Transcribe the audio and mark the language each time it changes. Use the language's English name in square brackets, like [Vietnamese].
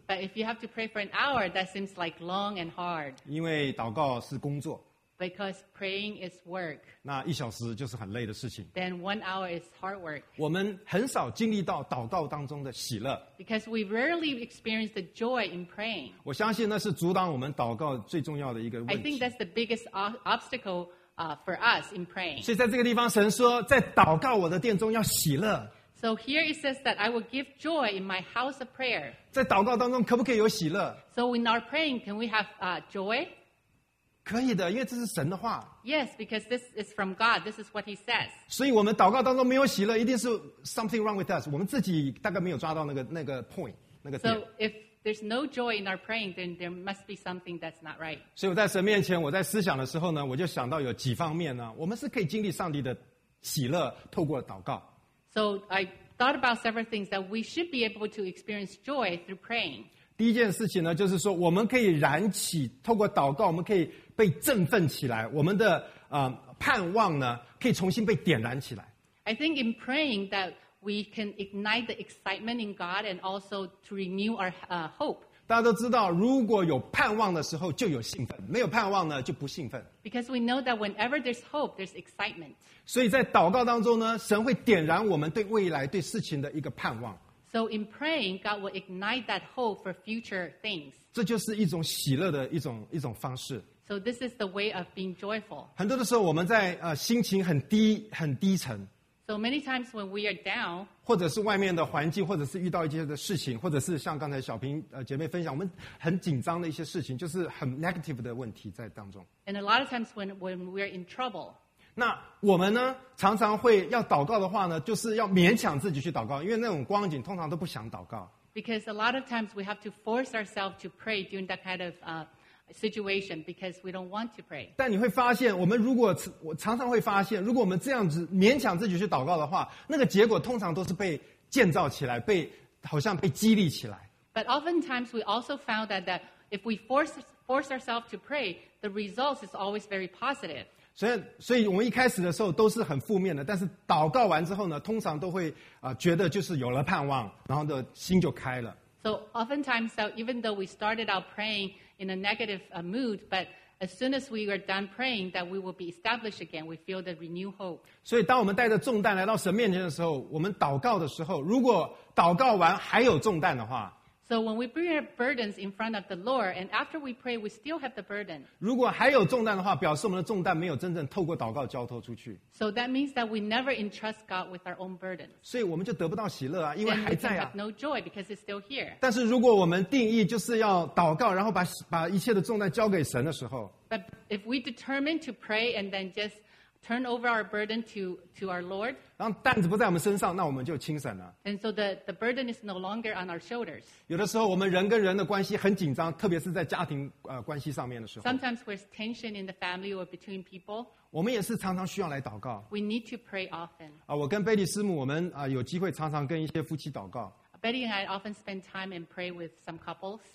[English] But if you have to pray for an hour, that seems like long and hard. [Chinese] 因为祷告是工作。 [English] Because praying is work. [Chinese] 那一小时就是很累的事情。 [English] Then one hour is hard work. [Chinese] 我们很少经历到祷告当中的喜乐。 [English] Because we rarely experience the joy in praying. [Chinese] 我相信那是阻挡我们祷告最重要的一个问题。 [English] I think that's the biggest obstacle for us in praying. [Chinese] 所以在这个地方神说，在祷告我的殿中要喜乐。 [English] So here it says that I will give joy in my house of prayer. [Chinese] 在祷告当中可不可以有喜乐？ [English] So in our praying, can we have joy? [Chinese] 可以的，因为这是神的话。 [English] Yes, because this is from God. This is what He says. [Chinese] 所以我们祷告当中没有喜乐，一定是 [English] something wrong with us. [Chinese] 我们自己大概没有抓到那个 point 那个点。 [English] So if there's no joy in our praying, then there must be something that's not right. [Chinese] 所以我在神面前，我在思想的时候呢，我就想到有几方面呢，我们是可以经历上帝的喜乐，透过祷告。 [English] So I thought about several things that we should be able to experience joy through praying. [Chinese] 第一件事情呢，就是说我们可以燃起，透过祷告，我们可以。被振奋起来，我们的盼望呢，可以重新被点燃起来。 [English] I think in praying that we can ignite the excitement in God and also to renew our hope. [Chinese] 大家都知道，如果有盼望的时候就有兴奋，没有盼望呢就不兴奋。 [English] Because we know that whenever there's hope, there's excitement. [Chinese] 所以在祷告当中呢，神会点燃我们对未来、对事情的一个盼望。 [English] So in praying, God will ignite that hope for future things. [Chinese] 这就是一种喜乐的一种方式。 [English] So this is the way of being joyful. [Chinese] 很多的时候我们在心情很低很低沉。 [English] So many times when we are down, [Chinese] 或者是外面的环境，或者是遇到一些的事情，或者是像刚才小平姐妹分享，我们很紧张的一些事情，就是很 negative 的问题在当中。 [English] And a lot of times when we are in trouble. [Chinese] 那我们呢，常常会要祷告的话呢，就是要勉强自己去祷告，因为那种光景通常都不想祷告。 [English] Because a lot of times we have to force ourselves to pray during that kind of situation because we don't want to pray. [Chinese] 但你会发现，我们如果我常常会发现，如果我们这样子勉强自己去祷告的话，那个结果通常都是被建造起来，被好像被激励起来。 [English] But oftentimes we also found that if we force ourselves to pray, the results is always very positive. [Chinese] 所以我们一开始的时候都是很负面的，但是祷告完之后呢，通常都会觉得就是有了盼望，然后的心就开了。 [English] So oftentimes, so even though we started out praying in a negative mood, but as soon as we are done praying, that we will be established again. We feel the renewed hope. [Chinese] 所以当我们带着重担来到神面前的时候，我们祷告的时候，如果祷告完还有重担的话， [English] So when we bring our burdens in front of the Lord, and after we pray, we still have the burden. [Chinese] 如果还有重担的话，表示我们的重担没有真正透过祷告交托出去。 [English] So that means that we never entrust God with our own burdens. [Chinese] 所以我们就得不到喜乐啊，因为还在啊。 [English] Then we have no joy because it's still here. [Chinese] 但是如果我们定义就是要祷告，然后把一切的重担交给神的时候， [English] But if we determine to pray and then just turn over our burden to our Lord. [Chinese] 然后担子不在我们身上，那我们就轻省了。 [English] And so the burden is no longer on our shoulders. [Chinese] 有的时候我们人跟人的关系很紧张，特别是在家庭关系上面的时候。 [English] Sometimes there's tension in the family or between people. [Chinese] 我们也是常常需要来祷告。 [English] We need to pray often. [Chinese] 我跟贝蒂师母，我们有机会常常跟一些夫妻祷告。 [English] Betty and I often spend time and pray with some couples.